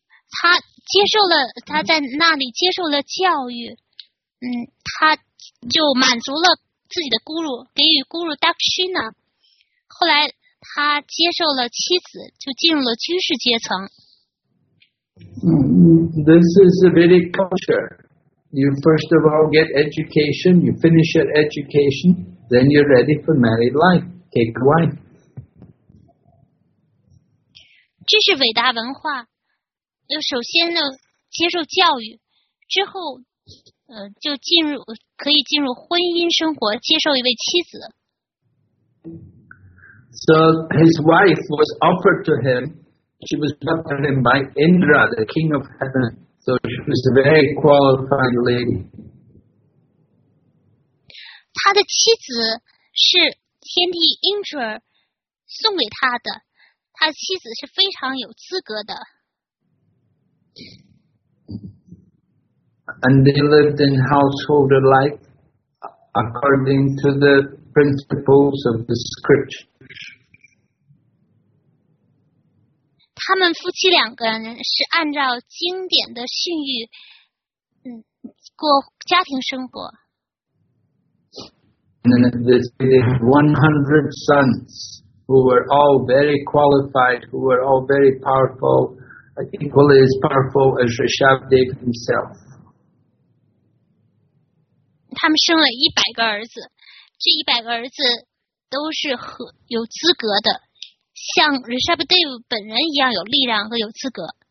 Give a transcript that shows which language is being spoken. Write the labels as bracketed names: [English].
[Chinese] 他接受了，他在那里接受了教育，他就满足了自己的咕噜，给予咕噜 Dakshina， 后来他接受了妻子，就进入了居士阶层。 [English] This is a Vedic culture. You first of all get education, you finish your education, then you're ready for married life. Take wife. [Chinese] 这是伟大文化。首先呢，接受教育，之后。就进入可以进入婚姻生活，接受一位妻子。 [English] So his wife was offered to him. She was offered to him by Indra, the king of heaven. So she was a very qualified lady. [Chinese] 他的妻子是天帝 Indra 送给他的，他妻子是非常有资格的。 [English] And they lived in household life according to the principles of the scripture. [Chinese] 他们夫妻两个人是按照经典的训谕，过家庭生活。 [English] And they had 100 sons who were all very qualified, who were all very powerful, equally as powerful as Rishabhdev himself. [Chinese] 他们生了100个儿子，这100个儿子都是有资格的，像 Rishabhdev 本人一样有力量和有资格。